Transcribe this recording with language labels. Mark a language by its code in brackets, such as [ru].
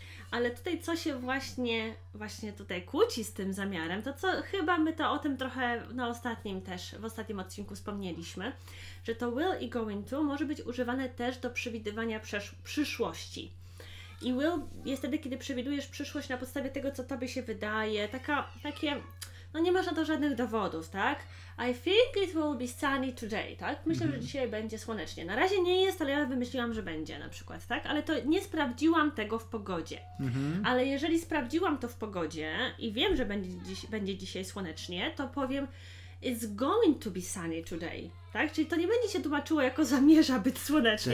[pl] Ale tutaj co się właśnie tutaj kłóci z tym zamiarem, to co chyba my to o tym trochę na ostatnim też, w ostatnim odcinku wspomnieliśmy, że to will i going to może być używane też do przewidywania przyszłości. I will jest wtedy, kiedy przewidujesz przyszłość na podstawie tego, co tobie się wydaje, no nie masz na to żadnych dowodów, tak? [en] I think it will be sunny today, tak? [pl] Myślę, że dzisiaj będzie słonecznie. Na razie nie jest, ale ja wymyśliłam, że będzie na przykład, tak? Ale to nie sprawdziłam tego w pogodzie. Ale jeżeli sprawdziłam to w pogodzie i wiem, że będzie dzisiaj słonecznie, to powiem [en] it's going to be sunny today, [pl] tak? Czyli to nie będzie się tłumaczyło jako zamierza być słonecznie,